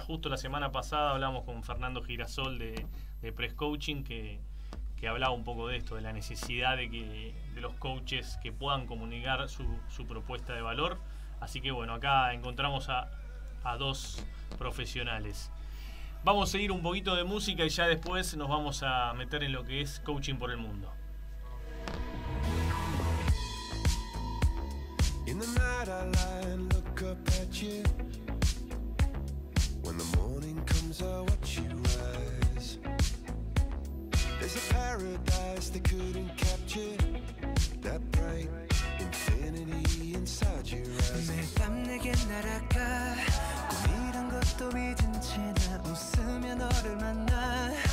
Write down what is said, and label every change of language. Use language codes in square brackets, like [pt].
[es] Justo la semana pasada hablamos con Fernando Girasol de Press Coaching, que hablaba un poco de esto, de la necesidad de los coaches que puedan comunicar su propuesta de valor. Así que bueno, acá encontramos a dos profesionales. Vamos a seguir un poquito de música y ya después nos vamos a meter en lo que es Coaching por el Mundo. [en] In the night I lie and look up at you. When the morning comes I watch you rise. There's a paradise they couldn't capture, that bright infinity inside your eyes. [ko] 매일 밤 내게 날아가, 꿈이란 것도 믿은 채 나 웃으며 너를 만나.